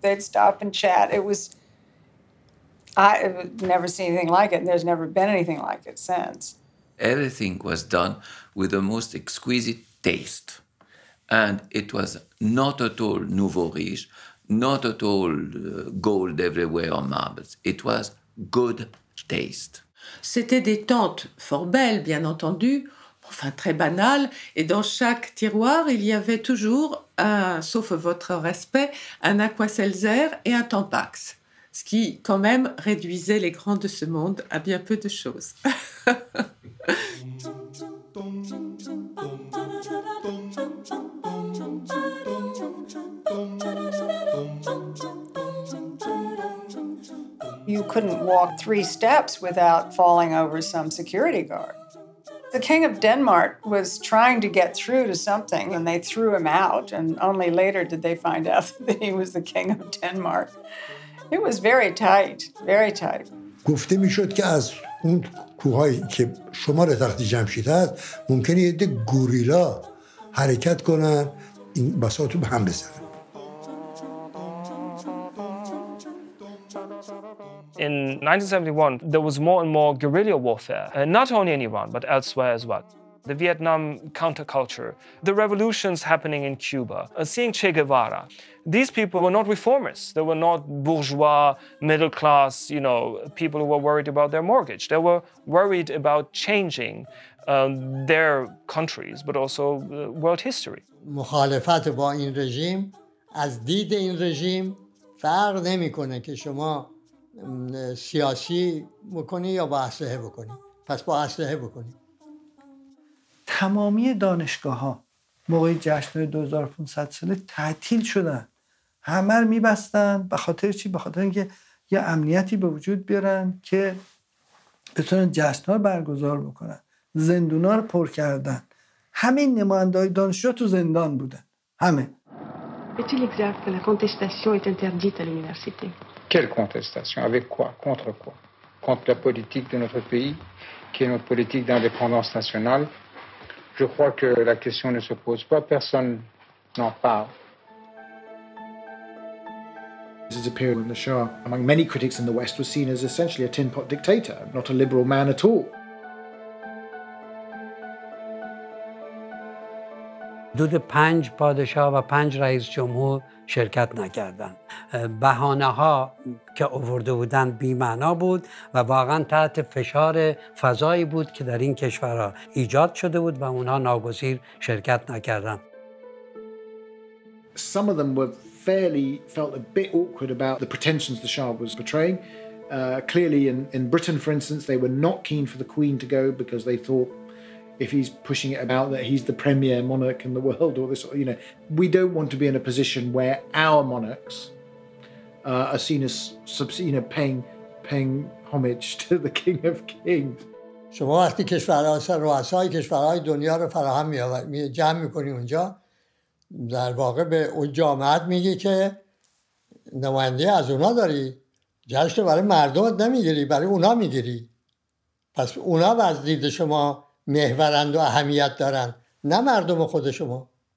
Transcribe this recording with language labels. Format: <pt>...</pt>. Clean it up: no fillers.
<en>They'd stop and chat. I've never seen anything like it, and there's never been anything like it since. Everything was done with the most exquisite taste, and it was not at all nouveau riche, not at all gold everywhere or marbles. It was good taste.</en> <fr>C'était des tentes fort belles, bien entendu, enfin très banales, et dans chaque tiroir, il y avait toujours, sauf votre respect, un aquacelzer et un tampax, ce qui quand même réduisait les grands de ce monde à bien peu de choses.</fr> <en>You couldn't walk three steps without falling over some security guard. The king of Denmark was trying to get through to something, and they threw him out, and only later did they find out that he was the king of Denmark. It was very tight, very tight.</en> <fa>گفته میشد که از اون کوهایی که شمار تخت جمشید هست ممکنه یه ده گوریلا حرکت کنن این بساطو به هم بزنن.</fa> <en>In 1971, there was more and more guerrilla warfare, not only in Iran, but elsewhere as well. The Vietnam counterculture, the revolutions happening in Cuba, seeing Che Guevara. These people were not reformers. They were not bourgeois, middle class, you know, people who were worried about their mortgage. They were worried about changing their countries, but also world history.</en> <fa>مخالفت با این رژیم از دید این رژیم فرق نمی کنه که شما سیاسی بکنی یا با اسلحه بکنی. پس با اسلحه بکنی. تمامی دانشگاه ها موقع جشن 2500 ساله تعطیل شدن. همه رو میبستن. به خاطر چی؟ به خاطر اینکه یه امنیتی به وجود بیارن که بتونن جشن ها برگزار بکنن. زندونا رو پر کردن. همه نماینده های دانشجو تو زندان بودن. همه.</fa> <fr>Est-il exact que la contestation est interdite à l'université? Quelle contestation? Avec quoi? Contre quoi? Contre la politique de notre pays, qui est notre politique d'indépendance nationale? Je crois que la question ne se pose pas. Personne n'en parle.</fr> <en>This is a period when the Shah, among many critics in the West, was seen as essentially a tin pot dictator, not a liberal man at all.</en> <fa>حدود پنج پادشاه و پنج رئیس جمهور شرکت نکردند. بهانه ها که آورده بودند بی‌معنا بود و واقعا تحت فشار فضایی بود که در این کشورها ایجاد شده بود و اونها ناگزیر شرکت نکردند.</fa> <en>Some of them were fairly felt a bit awkward about the pretensions the Shah was portraying. Clearly in Britain for instance they were not keen for the Queen to go because they thought if he's pushing it about that he's the premier monarch in the world or this, you know, we don't want to be in a position where our monarchs are seen as, you know, paying homage to the king of kings.</en> <fa>شما وقتی کشورها سر رؤسای کشورهای دنیا رو فراهم جمع میکنی اونجا در واقع به اون جامعه میگی که نماینده از اونا داری جشن برای مردم نمیگیری برای اونا میگیری پس اونا از دید شما محورند و اهمیت دارند نه مردم خود شما</fa>